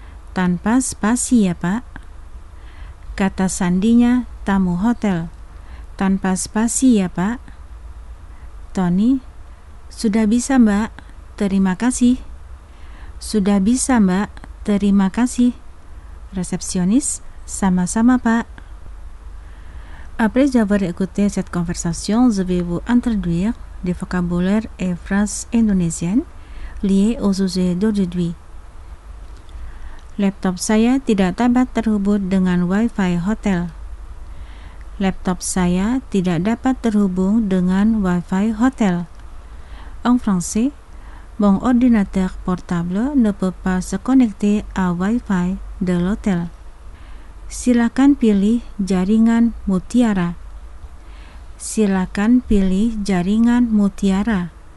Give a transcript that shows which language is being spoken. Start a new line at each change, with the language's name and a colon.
Indonesian: Tanpa spasi ya pak. Kata sandinya tamu hotel. Tanpa spasi ya pak. Tony, sudah bisa mbak, terima kasih. Sudah bisa mbak, terima kasih. Resepsionis, sama-sama pak.
French: Après avoir écouté cette conversation, je vais vous introduire des vocabulaires et phrases indonésiennes liées au sujet d'aujourd'hui.
Indonesian: Laptop saya tidak dapat terhubung dengan Wi-Fi hotel. Laptop saya tidak dapat terhubung dengan Wi-Fi hotel.
French: En français, mon ordinateur portable ne peut pas se connecter à Wi-Fi de l'hôtel.
Indonesian: Silakan pilih jaringan Mutiara. Silakan pilih jaringan Mutiara.